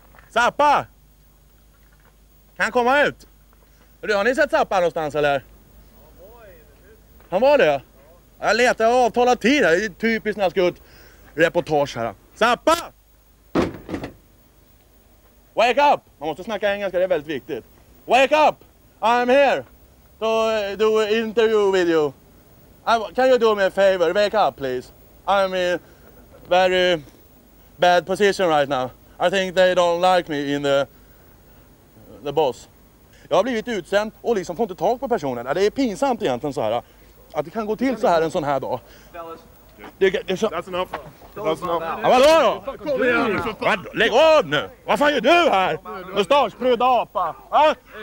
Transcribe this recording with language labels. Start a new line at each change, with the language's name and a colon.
Swedish: Zappa! Kan han komma ut? Har ni sett Zappa någonstans, eller? Han var det? Ja. Jag letar, jag har avtalat tid här. Det är typiskt när jag ska ut reportage här. Zappa!
English: Wake up!
Swedish: Man måste snacka engelska, det är väldigt viktigt.
English: Wake up! I'm here to do an interview with you. Can you do me a favor? Wake up, please. I'm in very bad position right now. I think they don't like me in the boss.
Swedish: Jag har blivit utsänd och liksom får inte tag på personen. Det är pinsamt egentligen så här. Att det kan gå till så här en sån här dag.
English: That's enough.
Swedish: Vadå då? Lägg av nu! Vad fan gör du här? Mustaschprudd apa! Va?